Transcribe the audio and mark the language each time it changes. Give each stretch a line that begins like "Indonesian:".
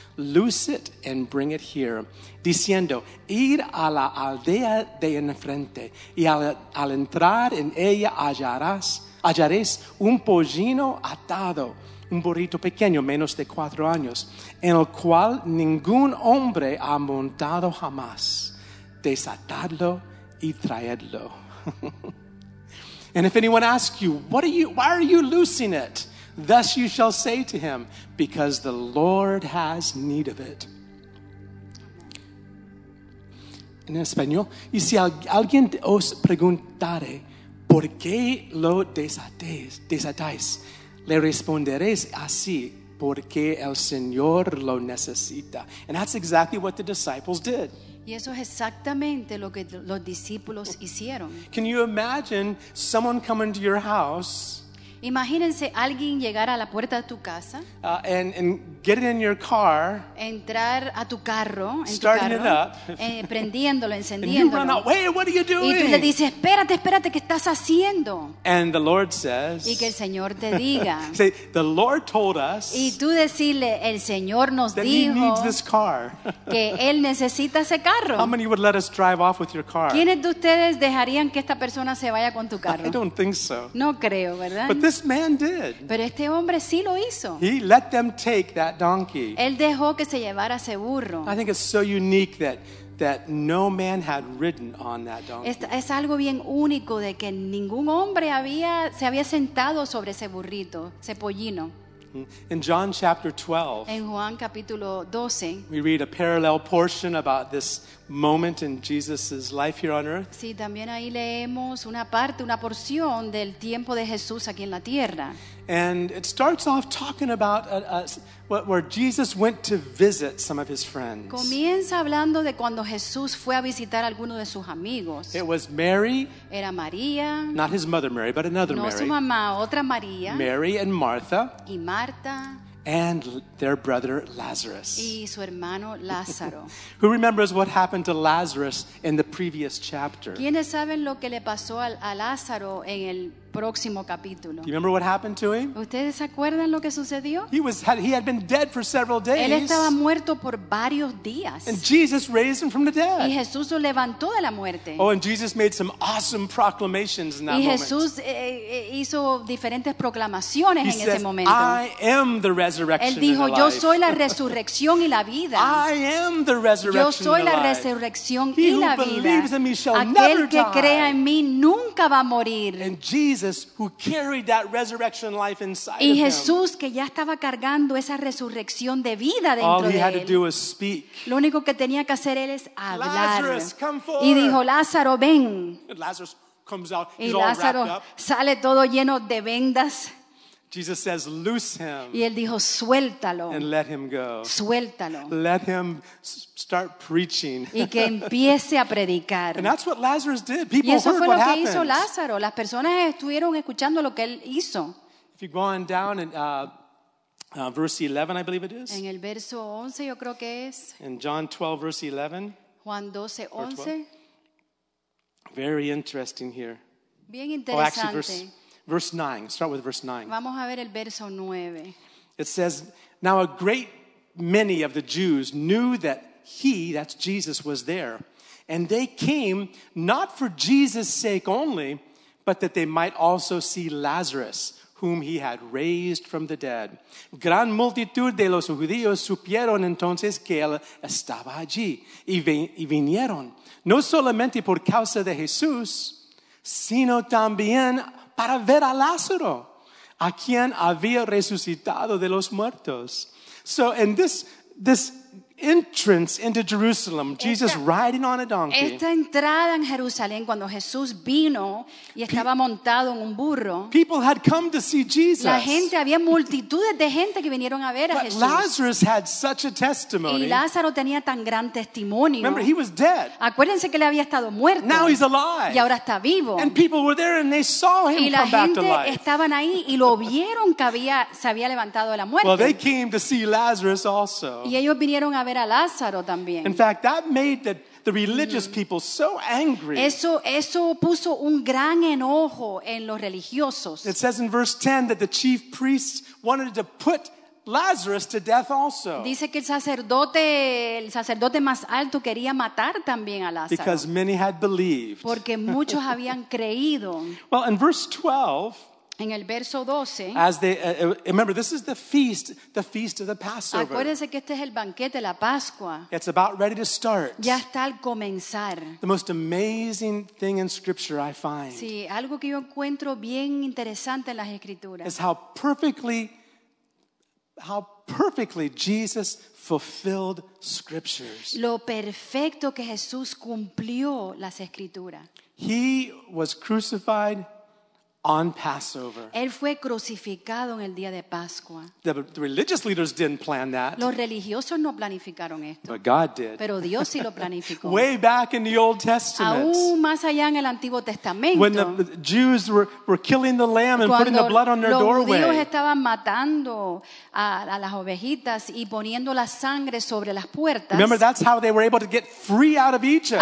English: Loose it and bring it here,
Spanish: diciendo, id a la aldea de enfrente, y al entrar en ella hallaréis un pollino atado, un burrito pequeño, menos de 4 años, en el cual ningún hombre ha montado jamás. Desatadlo y traedlo.
English: And if anyone asks you, why are you loosing it? Thus you shall say to him, because the Lord has need of it.
Spanish: En español, y si alguien os preguntare, ¿por qué lo desatáis? Le responderéis así, porque el Señor lo necesita.
English: And that's exactly what the disciples did.
Spanish: Y eso es exactamente lo que los discípulos hicieron.
English: Can you imagine someone coming to your house?
Spanish: Imagínense alguien llegar a la puerta de tu casa.
English: And get it in your car.
Spanish: Entrar a tu carro.
English: Starting
Spanish: tu carro,
English: it up.
Spanish: Prendiéndolo, encendiéndolo.
English: And you run out. Wait, what are you doing?
Spanish: Y tú le dices, espérate, ¿qué estás haciendo?
English: And the Lord says.
Spanish: Y que el Señor te diga.
English: Say, the Lord told us.
Spanish: Y tú decirle, el Señor nos
English: that
Spanish: dijo.
English: That he needs this car.
Spanish: Que él necesita ese carro.
English: How many would let us drive off with your car?
Spanish: ¿Quiénes de ustedes dejarían que esta persona se vaya con tu carro?
English: I don't think so.
Spanish: No creo, ¿verdad?
English: But this man did.
Spanish: Pero este hombre sí lo hizo.
English: He let them take that donkey.
Spanish: Él dejó que se llevara ese burro.
English: I think it's so unique that no man had ridden on that donkey.
Spanish: Es algo bien único de que ningún hombre se había sentado sobre ese burrito, ese pollino.
English: In John chapter 12.
Spanish: En Juan capítulo 12.
English: We read a parallel portion about this moment in Jesus's life here on earth.
Spanish: Sí, también ahí leemos una porción del tiempo de Jesús aquí en la tierra.
English: And it starts off talking about where Jesus went to visit some of his friends.
Spanish: Comienza hablando de cuando Jesús fue a visitar alguno de sus amigos.
English: It was Mary.
Spanish: Era María.
English: Not his mother Mary, but another
Spanish: no
English: Mary.
Spanish: No su mamá, otra María.
English: Mary and Martha.
Spanish: Y Marta.
English: And their brother Lazarus.
Spanish: Y su hermano Lázaro.
English: Who remembers what happened to Lazarus in the previous chapter?
Spanish: ¿Quiénes saben lo que le pasó a Lázaro en el próximo capítulo?
English: Do you remember what happened to him?
Spanish: ¿Ustedes acuerdan lo que sucedió?
English: He had been dead for several days.
Spanish: Él estaba muerto por varios días.
English: And Jesus raised him from the dead.
Spanish: Y Jesús lo levantó de la muerte.
English: Oh, and Jesus made some awesome proclamations in that moment.
Spanish: Y Jesús hizo diferentes proclamaciones en ese momento.
English: He says, I am the resurrection.
Spanish: Él dijo,
English: and the
Spanish: yo
English: life.
Spanish: Soy la resurrección y la vida.
English: I am the resurrection.
Spanish: Yo soy
English: and the
Spanish: la
English: life.
Spanish: Resurrección
English: he
Spanish: y la vida.
English: He who believes in me shall
Spanish: aquel
English: never die.
Spanish: Aquel que crea en mí nunca va a morir.
English: And Jesus, who carried that resurrection life inside of him.
Spanish: Y Jesús que ya estaba cargando esa resurrección de vida dentro de él.
English: All he had to do was speak.
Spanish: Lo único que tenía que hacer él es hablar.
English: Lazarus, come forth.
Spanish: Y dijo, Lázaro, ven.
English: Lazarus comes out.
Spanish: Y Lázaro sale todo lleno de vendas.
English: Jesus says, "Loose him."
Spanish: Y él dijo, "Suéltalo."
English: And let him go.
Spanish: Suéltalo.
English: Let him start preaching.
Spanish: Y que empiece a predicar.
English: And that's what Lazarus did. People
Spanish: y eso
English: heard
Spanish: fue
English: what
Spanish: lo que
English: happened.
Spanish: Hizo Lázaro. Las personas estuvieron escuchando lo que él hizo.
English: If you go on down and verse 11, I believe it is.
Spanish: En el verso 11, yo creo que es.
English: In John 12, verse 11.
Spanish: Juan 12, 11.
English: Very interesting here.
Spanish: Bien interesante.
English: Oh, actually, verse 9. Start with verse 9.
Spanish: Vamos a ver el verso 9.
English: It says, "Now a great many of the Jews knew that he," that's Jesus, "was there. And they came not for Jesus' sake only, but that they might also see Lazarus, whom he had raised from the dead.
Spanish: Gran multitud de los judíos supieron entonces que él estaba allí y vinieron, no solamente por causa de Jesús, sino también para ver a Lázaro, a quien había resucitado de los muertos."
English: So in this entrance into Jerusalem, Jesus riding on a donkey.
Spanish: Esta entrada en Jerusalén cuando Jesús vino y estaba montado en un burro.
English: People had come to see Jesus.
Spanish: La gente, había multitudes de gente que vinieron a ver a Jesús.
English: But Lazarus had such a testimony.
Spanish: Y Lázaro tenía tan gran testimonio.
English: Remember, he was dead.
Spanish: Acuérdense que él había estado muerto.
English: Now he's alive.
Spanish: Y ahora está vivo.
English: And people were there and they saw him come back to life.
Spanish: Y la gente estaban ahí y lo vieron que había se había levantado de la muerte.
English: Well, they came to see Lazarus also.
Spanish: Y ellos vinieron a ver a Lázaro también.
English: In fact, that made the religious people so angry.
Spanish: Eso puso un gran enojo en los religiosos.
English: It says in verse 10 that the chief priests wanted to put Lazarus to death also.
Spanish: Dice que el sacerdote más alto quería matar también a Lázaro.
English: Because many had believed.
Spanish: Porque muchos habían creído.
English: Well, in verse 12,
Spanish: en el verso 12,
English: as they remember, this is the feast of the Passover.
Spanish: Acuérdense que este es el banquete de la Pascua.
English: It's about ready to start.
Spanish: Ya está al comenzar.
English: The most amazing thing in Scripture, I find.
Spanish: Sí, algo que yo encuentro bien interesante en las Escrituras.
English: Is how perfectly Jesus fulfilled Scriptures.
Spanish: Lo perfecto que Jesús cumplió las Escrituras.
English: He was crucified on Passover.
Spanish: Él fue crucificado en el día de Pascua.
English: The religious leaders didn't plan that.
Spanish: Los religiosos no planificaron esto.
English: But God did.
Spanish: Pero Dios sí lo planificó.
English: Way back in the Old Testament.
Spanish: Aún más allá en el Antiguo Testamento.
English: When the Jews were killing the lamb and putting the blood on their doorway.
Spanish: Cuando los judíos estaban matando a las ovejitas y poniendo la sangre sobre las puertas.
English: Remember, that's how they were able to get free out of Egypt.